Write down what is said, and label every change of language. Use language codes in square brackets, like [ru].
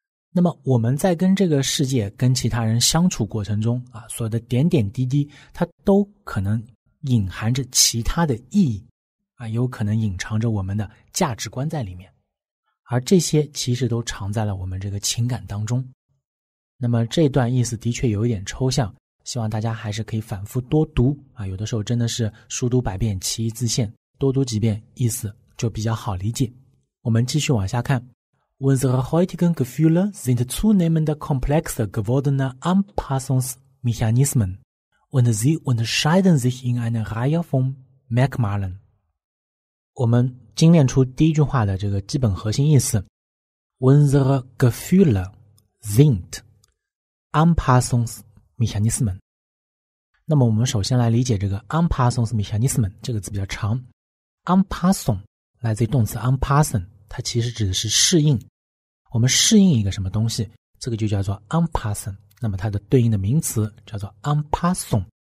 [zh] 那么我们在跟这个世界跟其他人相处过程中啊，所有的点点滴滴它都可能隐含着其他的意义啊，有可能隐藏着我们的价值观在里面，而这些其实都藏在了我们这个情感当中。那么这段意思的确有一点抽象，希望大家还是可以反复多读啊，有的时候真的是书读百遍其义自现，多读几遍意思就比较好理解。我们继续往下看， [de] Unsere heutigen Gefühle sind zunehmend komplexer gewordene Anpassungsmechanismen und sie unterscheiden sich in einer Reihe von Merkmalen。 [zh] 我们精炼出第一句话的这个基本核心意思， [de] Unsere Gefühle sind Anpassungsmechanismen。 [zh] 那么我们首先来理解这个 Anpassungsmechanismen， 这个字比较长， Anpassung 来自于动词 Anpassen，它其实指的是适应，我们适应一个什么东西，这个就叫做 anpassen， 那么它的对应的名词叫做 anpassung。